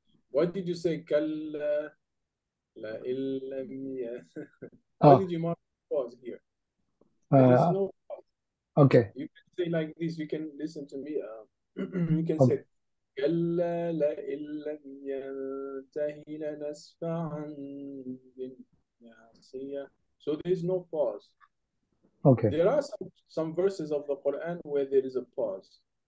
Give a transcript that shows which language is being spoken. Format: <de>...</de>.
<en>Why did you say</en> <ar>كَلَّا لَئِن لَّمْ يَنْتَهِ؟</ar> <en>Why did you mark pause here? There is no pause. Okay. You can say like this, you can listen to me. You can say,</en> <ar>كَلَّا لَئِن لَّمْ يَنْتَهِ لَنَسْفَعًا بِالنَّاصِيَةِ.</ar> <en>So there is no pause. Okay. There are some verses of the Quran where there is a pause.</en>